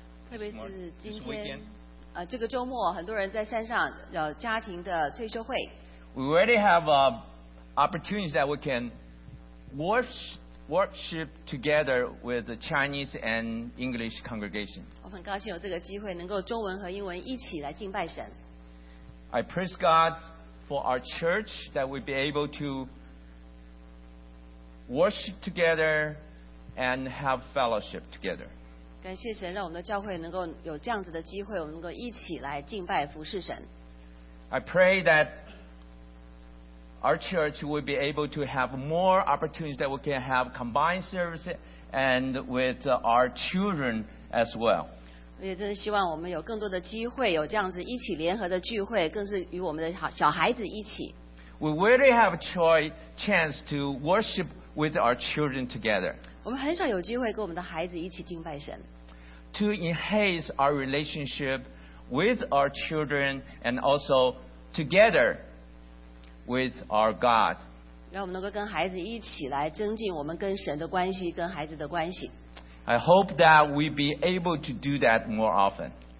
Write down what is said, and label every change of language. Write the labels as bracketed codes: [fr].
[zh] 特别是今天, 这个周末, 很多人在山上, 家庭的退休会。 [en] We already have opportunities that we can worship together with the Chinese and English congregation. [zh] 我很高兴有这个机会, 能够中文和英文一起来敬拜神。 [en] I praise God for our church that we'll be able to worship together and have fellowship together. [zh] 感谢神, 让我们的教会能够有这样子的机会, 我们能够一起来敬拜服侍神。 [en] I pray that our church will be able to have more opportunities that we can have combined services and with our children as well. [zh] 我也真的希望我们有更多的机会, 有这样子一起联合的聚会, 更是与我们的小孩子一起。 [en] We really have a chance to worship with our children together. [zh] 我们很少有机会跟我们的孩子一起敬拜神。 [en] To enhance our relationship with our children and also together with our God. [zh] 让我们能够跟孩子一起来增进我们跟神的关系，跟孩子的关系。 [en] I hope that we be able to do that more often.